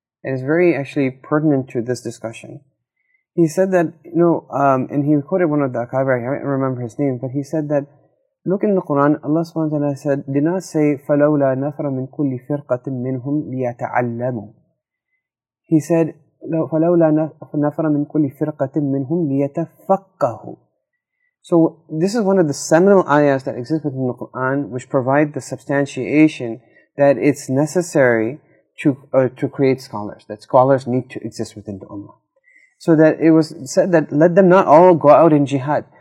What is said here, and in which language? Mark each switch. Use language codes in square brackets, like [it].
[en] And it's very actually pertinent to this discussion. He said that, and he quoted one of the akabir, I can't remember his name, but he said that, look in the Quran, Allah subhanahu wa ta'ala said, did not say, [ar] فَلَوْلَا نَفَرَ مِنْ كُلِّ فِرْقَةٍ مِّنْهُمْ لِيَتَعَلَّمُوا. [en] He said, [ar] فَلَوْلَا نَفَرَ مِنْ كُلِّ فِرْقَةٍ مِّنْهُمْ لِيَتَفَقَّهُ. [en] So this is one of the seminal ayahs that exist within the Quran, which provide the substantiation that it's necessary to create scholars, that scholars need to exist within the ummah. So that it was said that, let them not all go out in jihad.